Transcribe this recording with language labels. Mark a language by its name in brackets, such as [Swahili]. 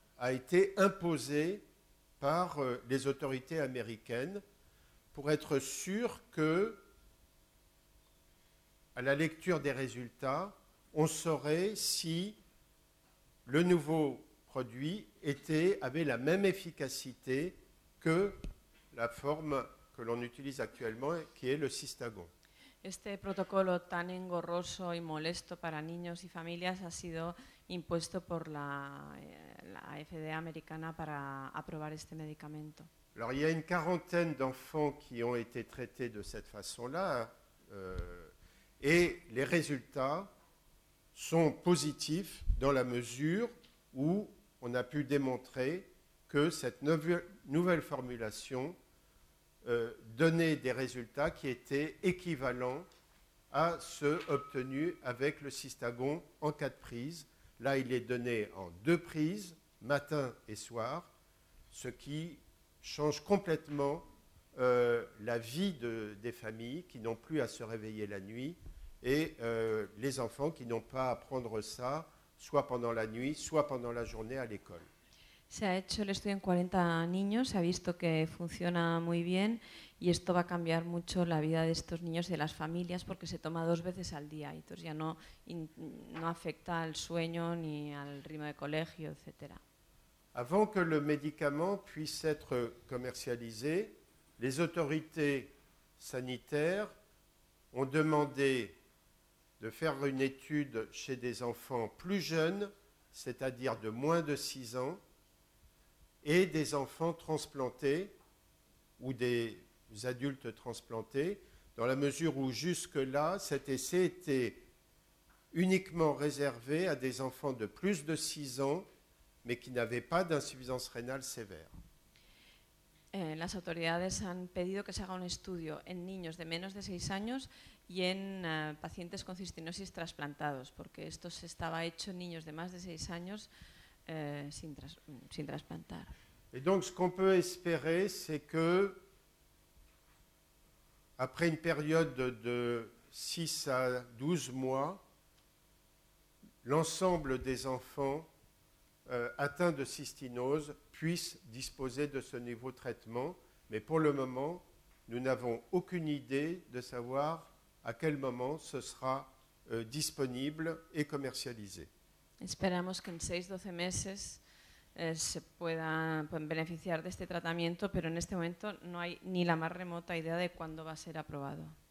[French] a été imposé par les autorités américaines pour être sûr que, à la lecture des résultats, on saurait si le nouveau produit avait la même efficacité que la forme que l'on utilise actuellement, qui est le Cystagon. [Spanish] Este protocolo tan engorroso y molesto para niños y familias ha sido impuesto por la FDA americana para aprobar este medicamento. [French] Alors, il y a une quarantaine d'enfants qui ont été traités de cette façon-là, et les résultats sont positifs dans la mesure où on a pu démontrer que cette nouvelle formulation donner des résultats qui étaient équivalents à ceux obtenus avec le Cystagon en 4 prises. Là, il est donné en 2 prises, matin et soir, ce qui change complètement la vie des familles qui n'ont plus à se réveiller la nuit et les enfants qui n'ont pas à prendre ça, soit pendant la nuit, soit pendant la journée à l'école. [Spanish] Se ha hecho el estudio en 40 niños, se ha visto que funciona muy bien y esto va a cambiar mucho la vida de estos niños y de las familias porque se toma 2 veces al día y entonces ya no afecta al sueño ni al ritmo de colegio, etc. [French] Avant que le médicament puisse être commercialisé, les autorités sanitaires ont demandé de faire une étude chez des enfants plus jeunes, c'est-à-dire de moins de 6 ans, et des enfants transplantés ou des adultes transplantés, dans la mesure où jusque-là, cet essai était uniquement réservé à des enfants de plus de 6 ans, mais qui n'avaient pas d'insuffisance rénale sévère. [Spanish] Las autoridades han pedido que se haga un estudio en niños de menos de 6 años y en pacientes con cistinosis trasplantados, porque esto se estaba hecho en niños de más de 6 años sin trasplantar. [French] Et donc, ce qu'on peut espérer, c'est que, après une période de 6 à 12 mois, l'ensemble des enfants atteints de cystinose puissent disposer de ce nouveau traitement. Mais pour le moment, nous n'avons aucune idée de savoir à quel moment ce sera disponible et commercialisé. [Spanish] Esperamos que en 6-12 meses se puedan beneficiar de este tratamiento, pero en este momento no hay ni la más remota idea de cuándo va a ser aprobado.